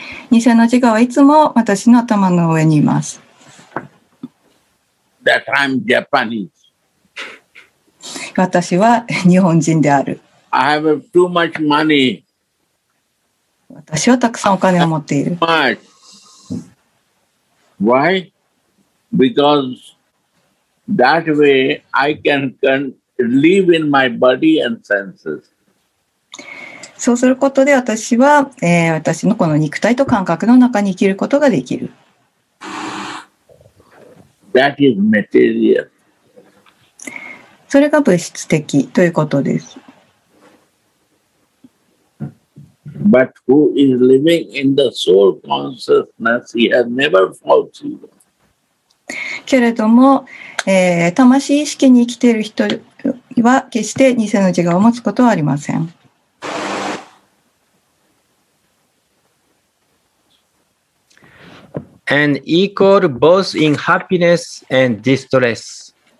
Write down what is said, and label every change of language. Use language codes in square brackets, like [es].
[ja] 偽の自我はいつも私の頭の上にいます。 [en] That I'm Japanese. [ja] 私は日本人である。 [en] I have too much money. [ja] 私はたくさんお金を持っている。 [en] Much. Why? Because that way I can live in my body and senses. [ja] そうすることで私は、私のこの肉体と感覚の中に生きることができる。 [en] That is material. [ja] それが物質的ということです。 [en] But who is living in the soul consciousness, he has never felt it. [ja] けれども、魂意識に生きている人は決して偽の自我を持つことはありません。 [en] And equal both in happiness and distress.